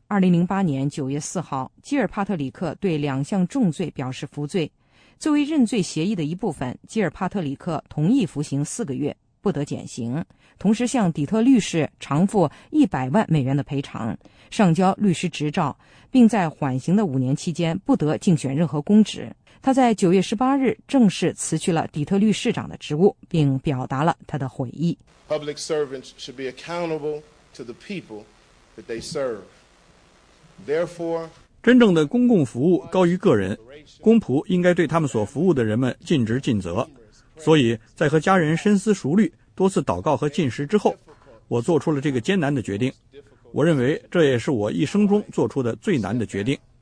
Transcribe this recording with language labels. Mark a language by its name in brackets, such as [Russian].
[Chinese] 2008年9月4号，基尔帕特里克对2项重罪表示服罪，作为认罪协议的一部分，基尔帕特里克同意服刑4个月，不得减刑，同时向底特律市偿付$1,000,000的赔偿，上交律师执照，并在缓刑的5年期间不得竞选任何公职。他在9月18日正式辞去了底特律市长的职务，并表达了他的悔意。 [English] Public servants should be accountable to the people that they serve. Therefore, [Chinese] 真正的公共服务高于个人，公仆应该对他们所服务的人们尽职尽责。所以在和家人深思熟虑、多次祷告和进食之后，我做出了这个艰难的决定。我认为这也是我一生中做出的最难的决定。